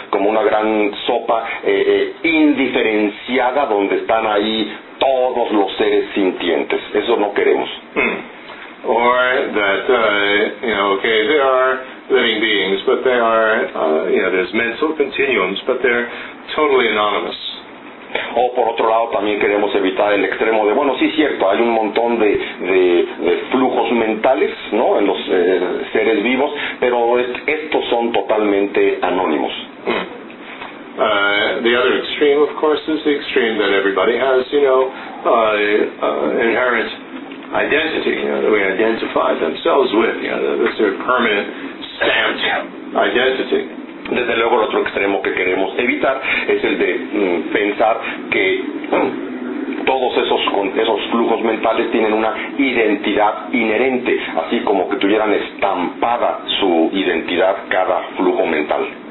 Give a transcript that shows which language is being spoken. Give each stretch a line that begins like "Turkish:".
Spanish: Como una gran sopa indiferenciada donde están ahí todos los seres sintientes. Eso no queremos.
English: Or that, there are living beings, but they are, there's mental continuums, but they're totally anonymous.
Spanish: O por otro lado, también queremos evitar el extremo de, bueno, sí, cierto, hay un montón de flujos mentales, ¿no?, en los seres vivos, pero estos son totalmente anónimos.
English: The other extreme, of course, is the extreme that everybody has, inherent identity, that we identify themselves with, that's their permanent stamped identity.
Spanish: Desde luego, el otro extremo que queremos evitar es el de pensar que todos esos flujos mentales tienen una identidad inherente, así como que tuvieran estampada su identidad cada flujo mental.